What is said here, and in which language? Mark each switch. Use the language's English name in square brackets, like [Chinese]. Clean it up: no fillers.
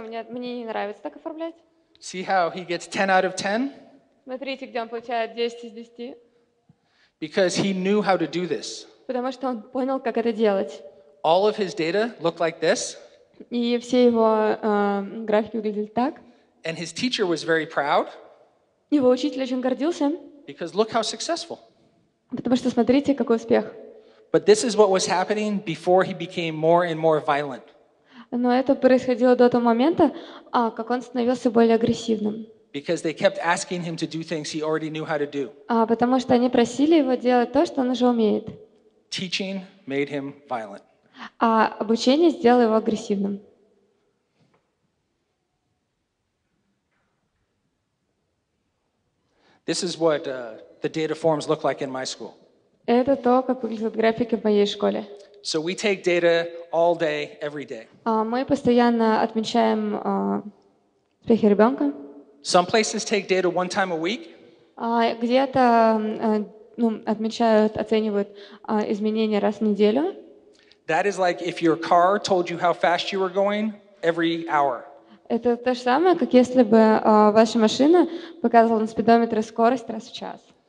[Russian] Мне не нравится так оформлять. [English] See how he gets 10 out of 10? [Russian] Смотрите, где он получает 10 из 10. [English] Because he knew how to do this. [Russian] Потому что он понял, как это делать. [English] All of his data looked like this. [Russian] И все его графики выглядели так. [English] And his teacher was very proud. [Russian] Его учитель очень гордился. [English] Because look how successful. [Russian] Потому что смотрите, какой успех. [English] But this is what was happening before he became more and more violent. [Russian] Но это происходило до того момента, как он становился более агрессивным. [English] Because they kept asking him to do things he already knew how to do. [Russian] Потому что они просили его делать то, что он уже умеет. [English] Teaching made him violent. [Russian] Обучение сделало его агрессивным. [English] This is what the data forms look like in my school. [Russian] Это то, как выглядят графики в моей школе. [English] So we take data all day, every day. [Russian] Мы постоянно отмечаем успехи ребенка. [English] Some places take data one time a week. [Russian] Где-то отмечают, оценивают изменения раз в неделю. [English] That is like if your car told you how fast you were going every hour. [Russian] Это то же самое, как если бы ваша машина показывала на спидометре скорость раз в час.